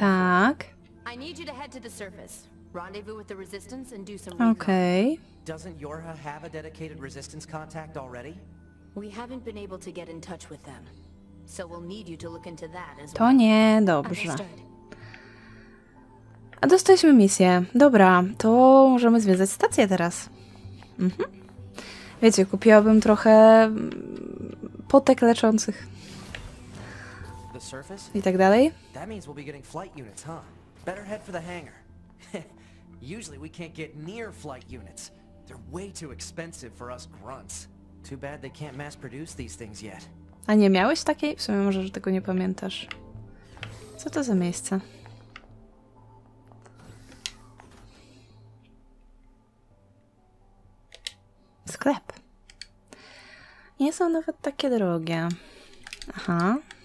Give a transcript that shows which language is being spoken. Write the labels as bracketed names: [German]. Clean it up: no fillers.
[Polish] Tak. [English] I need you to head to the surface. Rendezvous with the resistance and do some recon. Okay. Doesn't Yorha have a dedicated resistance contact already? We haven't been able to get in touch with them. So we'll need you to look into that as well. [Polish] To nie, dobrze. A dostaliśmy misję. Dobra, to możemy zwiedzać stację teraz. Mhm. Wiecie, kupiłabym trochę potek leczących. I tak dalej. [English] That means we'll be getting flight units, huh? Better head for the hangar. Usually we can't get near flight units. They're way too expensive for us grunts. Too bad they can't mass produce these things yet. [Polish] A nie miałeś takiej? W sumie może, że tego nie pamiętasz. Co to za miejsce? Sklep. Nie są nawet takie drogie. Aha.